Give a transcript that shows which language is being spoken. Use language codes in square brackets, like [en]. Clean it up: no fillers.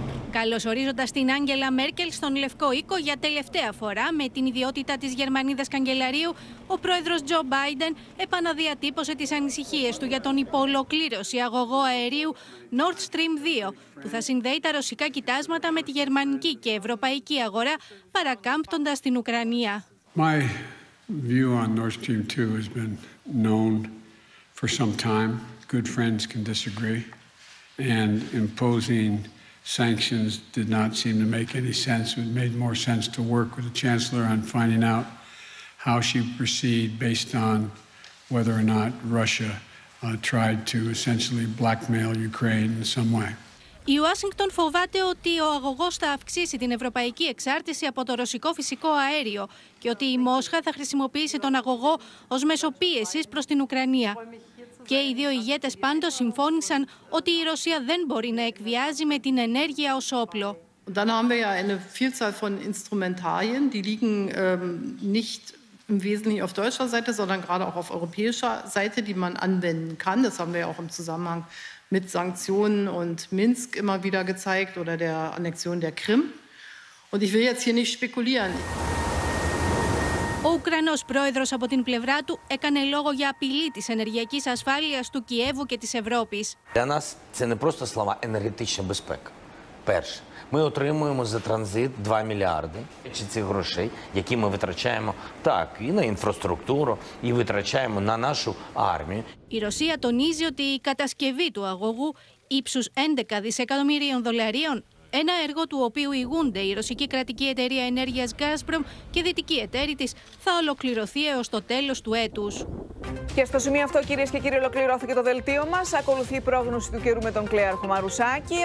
[el] Καλωσορίζοντας την Άγγελα Μέρκελ στον Λευκό Οίκο για τελευταία φορά με την ιδιότητα της Γερμανίδας Καγκελαρίου, ο πρόεδρος Τζο Μπάιντεν επαναδιατύπωσε τις ανησυχίες του για τον υπολοκλήρωση αγωγό αερίου Nord Stream 2, που θα συνδέει τα ρωσικά κοιτάσματα με τη γερμανική και ευρωπαϊκή αγορά, παρακάμπτοντας την Ουκρανία. [en] My view on Nord Stream 2 has been known for some time. Good friends can disagree. And imposing sanctions did not seem to make any sense. It made more sense to work with the Chancellor on finding out how she proceed based on whether or not Russia tried to essentially blackmail Ukraine in some way. [el] Η Ουάσιγκτον φοβάται ότι ο αγωγός θα αυξήσει την ευρωπαϊκή εξάρτηση από το ρωσικό φυσικό αέριο και ότι η Μόσχα θα χρησιμοποιήσει τον αγωγό ως μέσο πίεσης προς την Ουκρανία. Και οι δύο ηγέτες πάντως συμφώνησαν ότι η Ρωσία δεν μπορεί να εκβιάζει με την ενέργεια ως όπλο. [de] Dann haben wir ja eine Vielzahl von Instrumentarien, die liegen nicht im Wesentlichen auf deutscher Seite, sondern gerade auch auf europäischer Seite, die man anwenden kann. Das haben wir ja auch im Zusammenhang mit Sanktionen und Minsk immer wieder gezeigt oder der Annexion der Krim. Und ich will jetzt hier nicht spekulieren. [el] Ο Ουκρανός πρόεδρος από την πλευρά του έκανε λόγο για απειλή της ενεργειακής ασφάλειας του Κιέβου και της Ευρώπης. [uk] Для нас це не просто слова, енергетична безпека. Перше, ми отримуємо за транзит 2 мільярди цих грошей, які ми витрачаємо так і на інфраструктуру, і витрачаємо на нашу армію. [el] Η Ρωσία τονίζει ότι η κατασκευή του αγωγού ύψους 11 δισεκατομμυρίων δολαρίων, ένα έργο του οποίου ηγούνται η ρωσική κρατική εταιρεία ενέργειας Gazprom και δυτική εταίρη της, θα ολοκληρωθεί έως το τέλος του έτους. Και στο σημείο αυτό, κυρίες και κύριοι, ολοκληρώθηκε το δελτίο μας. Ακολουθεί η πρόγνωση του καιρού με τον Κλέαρχο Μαρουσάκη.